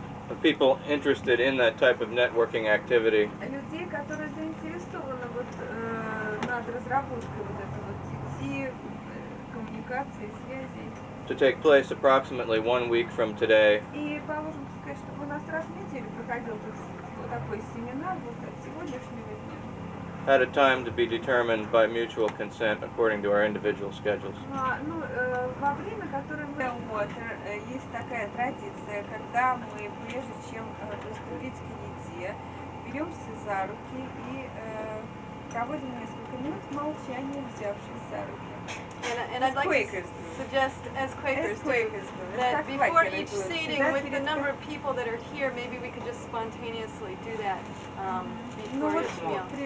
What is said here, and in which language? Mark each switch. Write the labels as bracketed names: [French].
[English] Of people interested in that type of networking activity. [Russian] Людей, которые заинтересованы вот над разработкой вот этого сети коммуникации, связи. [English] To take place approximately 1 week from today. [Russian] И положим сказать, чтобы у нас раз в неделю проходил такой семинар вот от сегодняшнего дня. [English] At a time to be determined by mutual consent according to our individual schedules. [Russian] Ну, во время, которое мы... Вот, есть такая традиция, когда мы, прежде чем приступить к еде, беремся за руки и проводим несколько минут молчания, взявшись за руки. [English] And I'd like to suggest, as Quakers do, that before each seating, with the number of people that are here, maybe we could just spontaneously do that before each meal.